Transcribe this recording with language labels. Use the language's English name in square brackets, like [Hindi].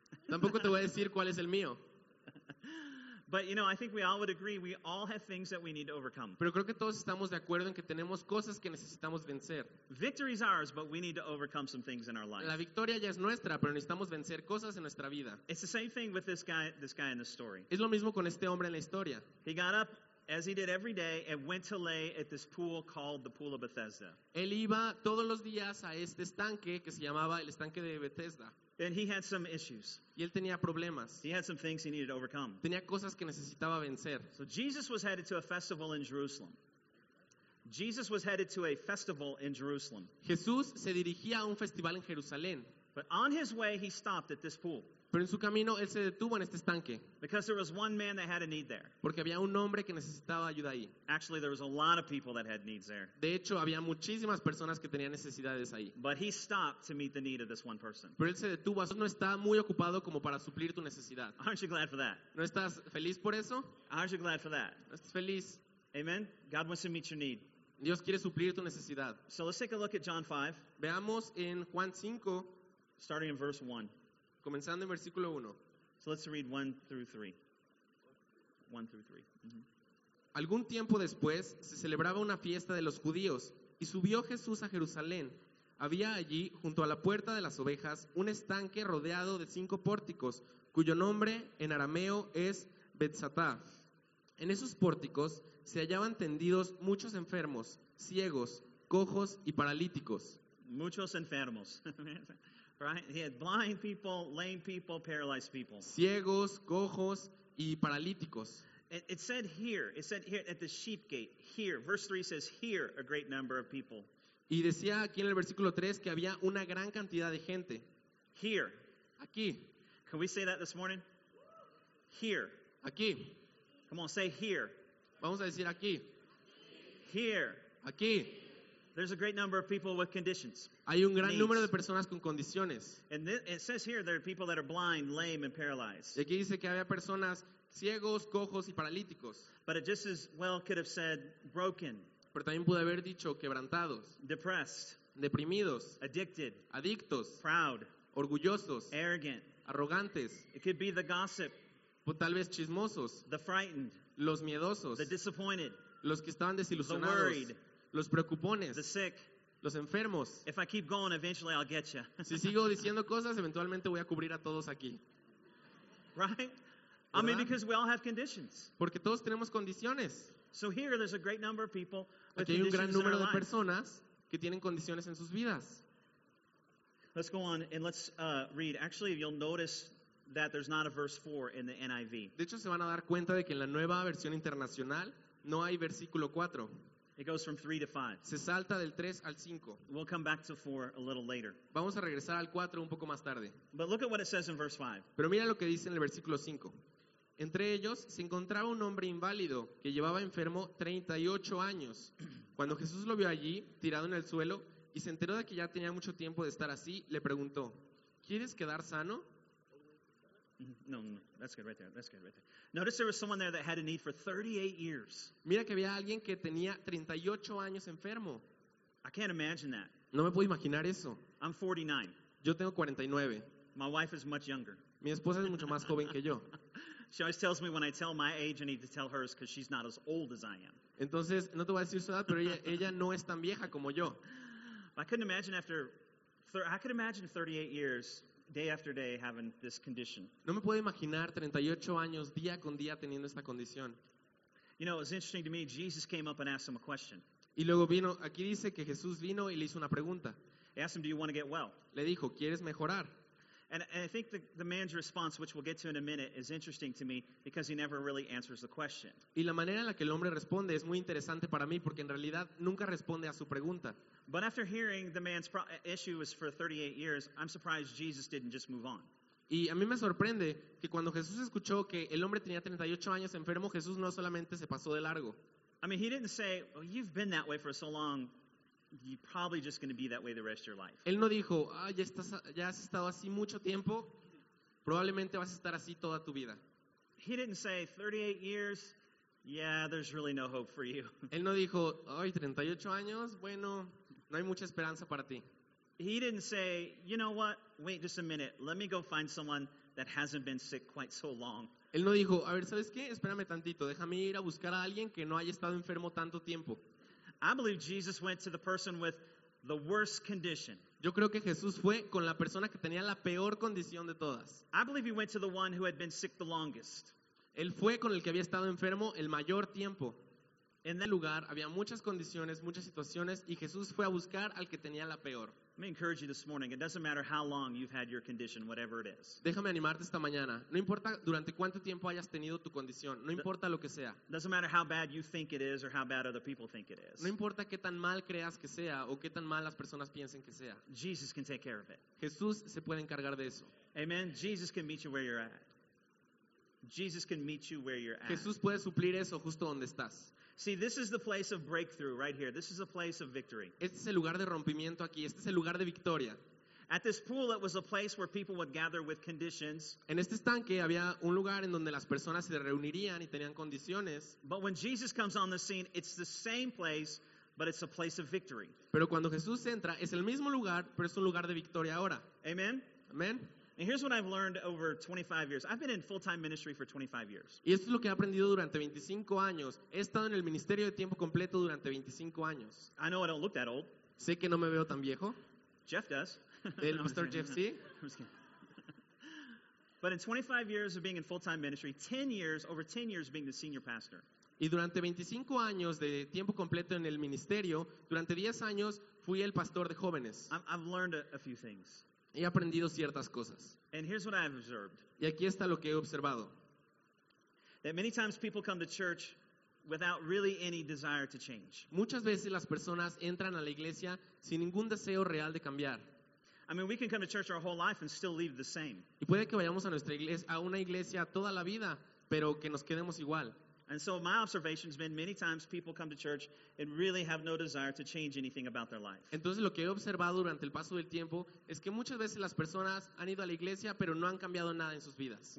[Spanish] Tampoco te voy a decir cuál es el mío. [English] But you know, I think we all would agree we all have things that we need to overcome. [Spanish] Pero creo que todos estamos de acuerdo en que tenemos cosas que necesitamos vencer. [English] Victory is ours, but we need to overcome some things in our life. [Spanish] La victoria ya es nuestra, pero necesitamos vencer cosas en nuestra vida. [English] It's the same thing with this guy in the story. [Spanish] Es lo mismo con este hombre en la historia. [English] He got up as he did every day and went to lay at this pool called the Pool of Bethesda. [Spanish] Él iba todos los días a este estanque que se llamaba el estanque de Bethesda. [English] And he had some issues. [Spanish] Y él tenía problemas. [English] He had some things he needed to overcome. [Spanish] Tenía cosas que necesitaba vencer. [English] So Jesus was headed to a festival in Jerusalem. Jesus was headed to a festival in Jerusalem. [Spanish] Jesús se dirigía a un festival en Jerusalén. [English] But on his way, he stopped at this pool. [Spanish] Pero en su camino, él se detuvo en este estanque. [English] Because there was one man that had a need there. [Spanish] Porque había un hombre que necesitaba ayuda ahí. [English] Actually, there was a lot of people that had needs there. [Spanish] De hecho, había muchísimas personas que tenían necesidades ahí. [English] But he stopped to meet the need of this one person. [Spanish] Pero él se detuvo. Eso no está muy ocupado como para suplir tu necesidad. [English] Aren't you glad for that? [Spanish] ¿No estás feliz por eso? [English] Aren't you glad for that? [Spanish] ¿No estás feliz? Amen. [English] God wants to meet your need. [Spanish] Dios quiere suplir tu necesidad. [English] So let's take a look at John 5. [Spanish] Veamos en Juan 5. [English] Starting in verse 1. [Spanish] Comenzando en versículo 1. [English] So let's read 1 through 3. 1 through 3. Mm-hmm. [Spanish] Algún tiempo después, se celebraba una fiesta de los judíos, y subió Jesús a Jerusalén. Había allí, junto a la puerta de las ovejas, un estanque rodeado de 5 pórticos, cuyo nombre en arameo es Betzatá. En esos pórticos se hallaban tendidos muchos enfermos, ciegos, cojos y paralíticos. Muchos enfermos. [English] Right? He had blind people, lame people, paralyzed people. [Spanish] Ciegos, cojos y paralíticos. [English] It said here at the sheep gate, here. Verse 3 says, here a great number of people. [Spanish] Y decía aquí en el versículo 3 que había una gran cantidad de gente. [English] Here. [Spanish] Aquí. [English] Can we say that this morning? Here. [Spanish] Aquí. [English] Come on, say here. [Spanish] Vamos a decir aquí. [English] Here. [Spanish] Aquí. [English] There's a great number of people with conditions. [Spanish] Hay un gran número de personas con condiciones. [English] And it says here there are people that are blind, lame, and paralyzed. [Spanish] Y aquí dice que había personas ciegos, cojos y paralíticos. [English] But it just as well could have said broken. [Spanish] Pero también pudo haber dicho quebrantados. [English] Depressed. [Spanish] Deprimidos. [English] Addicted. [Spanish] Adictos. [English] Proud. [Spanish] Orgullosos. [English] Arrogant. [Spanish] Arrogantes. [English] It could be the gossip. [Spanish] O tal vez chismosos. [English] The frightened. [Spanish] Los miedosos. [English] The disappointed. [Spanish] Los que estaban desilusionados. [English] The worried. [Spanish] Los preocupones. [English] The sick. [Spanish] Los enfermos. [English] If I keep going, eventually I'll get you. [Spanish] Si sigo diciendo cosas, eventualmente voy a cubrir a todos aquí. [English] Right? [Spanish] ¿Verdad? [English] I mean, because we all have conditions. [Spanish] Porque todos tenemos condiciones. [English] So here there's a great number of people with conditions. [Spanish] Aquí hay un gran número de personas que tienen condiciones en sus vidas. [English] Let's go on and let's read. Actually, you'll notice that there's not a verse 4 in the NIV. [Spanish] De hecho, se van a dar cuenta de que en la nueva versión internacional no hay versículo 4. [English] It goes from 3 to 5. [Spanish] Se salta del 3 al 5. [English] We'll come back to 4 a little later. [Spanish] Vamos a regresar al 4 un poco más tarde. [English] But look at what it says in verse 5. [Spanish] Pero mira lo que dice en el versículo 5. Entre ellos se encontraba un hombre inválido que llevaba enfermo 38 años. Cuando Jesús lo vio allí, tirado en el suelo, y se enteró de que ya tenía mucho tiempo de estar así, le preguntó, ¿quieres quedar sano? [English] No, no, that's good right there, that's good right there. Notice there was someone there that had a need for 38 years. [Spanish] Mira que había alguien que tenía 38 años enfermo. [English] I can't imagine that. [Spanish] No me puedo imaginar eso. [English] I'm 49. [Spanish] Yo tengo 49. [English] My wife is much younger. [Spanish] Mi esposa es mucho más joven que yo. [English] She always tells me when I tell my age, I need to tell hers because she's not as old as I am. [Spanish] Entonces, no te voy a decir su edad, pero ella no es tan vieja como yo. [English] I couldn't imagine I could imagine 38 years, day after day, having this condition. [Spanish] No me puedo imaginar 38 años, día con día, teniendo esta condición. [English] You know, it's interesting to me, Jesus came up and asked him a question. [Spanish] Y luego vino, aquí dice que Jesús vino y le hizo una pregunta. [English] He asked him, do you want to get well? [Spanish] Le dijo, ¿quieres mejorar? [English] And I think the man's response, which we'll get to in a minute, is interesting to me because he never really answers the question. [Spanish] Y la manera en la que el hombre responde es muy interesante para mí porque en realidad nunca responde a su pregunta. [English] But after hearing the man's issue was for 38 years, I'm surprised Jesus didn't just move on. [Spanish] Y a mí me sorprende que cuando Jesús escuchó que el hombre tenía 38 años enfermo, Jesús no solamente se pasó de largo. [English] I mean, he didn't say, well, you've been that way for so long. You're probably just going to be that way the rest of your life. [Spanish] Él no dijo, ah, ya has estado así mucho tiempo, probablemente vas a estar así toda tu vida. [English] He didn't say, 38 years, yeah, there's really no hope for you. [Spanish] Él no dijo, ay, 38 años, bueno, no hay mucha esperanza para ti. [English] He didn't say, you know what, wait just a minute, let me go find someone that hasn't been sick quite so long. [Spanish] Él no dijo, a ver, ¿sabes qué? Espérame tantito, déjame ir a buscar a alguien que no haya estado enfermo tanto tiempo. [English] I believe Jesus went to the person with the worst condition. [Spanish] Yo creo que Jesús fue con la persona que tenía la peor condición de todas. [English] I believe he went to the one who had been sick the longest. [Spanish] Él fue con el que había estado enfermo el mayor tiempo. En ese lugar había muchas condiciones, muchas situaciones, y Jesús fue a buscar al que tenía la peor. [English] Let me encourage you this morning. It doesn't matter how long you've had your condition, whatever it is. [Spanish] Déjame animarte esta mañana. No importa durante cuánto tiempo hayas tenido tu condición. No importa lo que sea. [English] Doesn't matter how bad you think it is or how bad other people think it is. [Spanish] No importa qué tan mal creas que sea o qué tan mal las personas piensen que sea. [English] Jesus can take care of it. [Spanish] Jesús se puede encargar de eso. [English] Amen. Jesus can meet you where you're at. Jesus can meet you where you're at. [Spanish] Jesús puede suplir eso justo donde estás. [English] See, this is the place of breakthrough right here. This is a place of victory. [Spanish] Este es el lugar de rompimiento aquí. Este es el lugar de victoria. [English] At this pool, it was a place where people would gather with conditions. [Spanish] En este estanque había un lugar en donde las personas se reunirían y tenían condiciones. [English] But when Jesus comes on the scene, it's the same place, but it's a place of victory. [Spanish] Pero cuando Jesús entra, es el mismo lugar, pero es un lugar de victoria ahora. Amen. Amen. [English] And here's what I've learned over 25 years. I've been in full-time ministry for 25 years. [Spanish] Y esto es lo que he aprendido durante 25 años. He estado en el ministerio de tiempo completo durante 25 años. [English] I know I don't look that old. [Spanish] Sé que no me veo tan viejo. [English] Jeff does. [Spanish] El Mr. Jeff C. [English] But in 25 years of being in full-time ministry, 10 years, over 10 years of being the senior pastor. [Spanish] Y durante 25 años de tiempo completo en el ministerio, durante 10 años fui el pastor de jóvenes. [English] I've learned a few things. [Spanish] He aprendido ciertas cosas. [English] And here's what I've observed. [Spanish] Y aquí está lo que he observado. [English] That many times people come to church without really any desire to change. [Spanish] Muchas veces las personas entran a la iglesia sin ningún deseo real de cambiar. [English] I mean, we can come to church our whole life and still leave the same. [Spanish] Y puede que vayamos a nuestra iglesia, a una iglesia toda la vida, pero que nos quedemos igual. [English] And so my observation has been many times people come to church and really have no desire to change anything about their life. [Spanish] Entonces lo que he observado durante el paso del tiempo es que muchas veces las personas han ido a la iglesia pero no han cambiado nada en sus vidas.